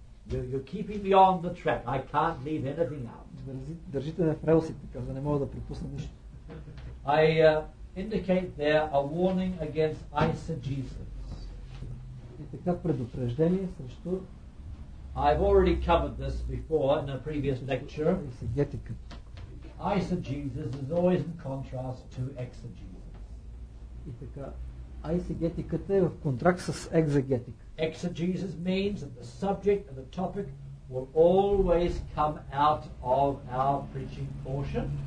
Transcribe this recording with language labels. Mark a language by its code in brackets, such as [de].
[en] You're keeping me on the track. I can't leave anything out. [bg] Държите на релсите, за не мога да пропусна нищо. [en] I indicate there a warning against eisegesis. [bg] И така предупреждение срещу... [en] I've already covered this before in a previous lecture. Eisegetica. Eisegesis is always in contrast to exegesis. [bg] И така... Айсегетиката е в контракт с екзегетик. [en] Exegesis means that the subject and the topic will always come out of our preaching portion.